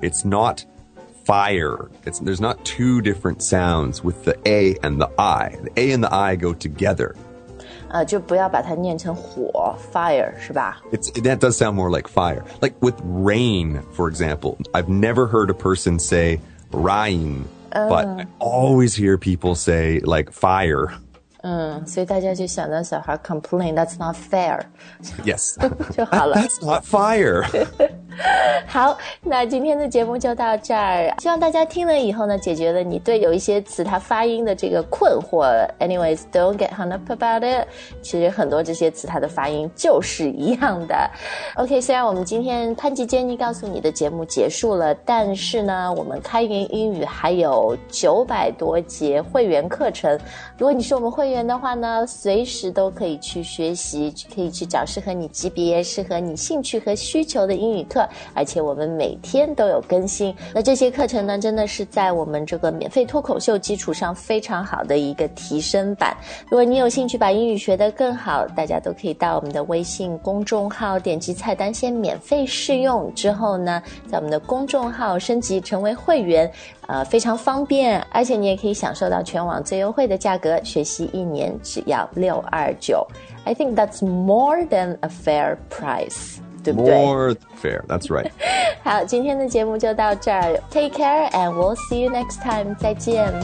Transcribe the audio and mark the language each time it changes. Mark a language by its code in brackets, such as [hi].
[en] It's not fire. There's not two different sounds with the A and the I. The A and the I go together. [zh] 就不要把它念成火 fire 是吧 [en] That does sound more like fire. Like with rain, for example, I've never heard a person say rain, but I always hear people say like fire. [zh] 所以大家就想到小孩 [en] complain, that's not fair. Yes. [zh] 就好了 [en] That's not fire. [zh] 好，那今天的节目就到这儿，希望大家听了以后呢，解决了你对有一些词它发音的这个困惑。 [en] Anyways, don't get hung up about it. [zh] 其实很多这些词它的发音就是一样的。 OK, 虽然我们今天潘吉坚尼告诉你的节目结束了，但是呢，我们开源英语还有900多节会员课程。如果你是我们会员的话呢，随时都可以去学习，可以去找适合你级别、适合你兴趣和需求的英语课。而且我们每天都有更新，那这些课程呢真的是在我们这个免费脱口秀基础上非常好的一个提升版。如果你有兴趣把英语学得更好，大家都可以到我们的微信公众号点击菜单先免费试用，之后呢在我们的公众号升级成为会员，非常方便，而且你也可以享受到全网最优惠的价格，学习一年只要629。 [en] I think that's more than a fair price, [zh] 对不对? [en] More fair, that's right. [zh] 好，今天的节目就到这儿。 [en] Take care, and we'll see you next time. [zh] 再见。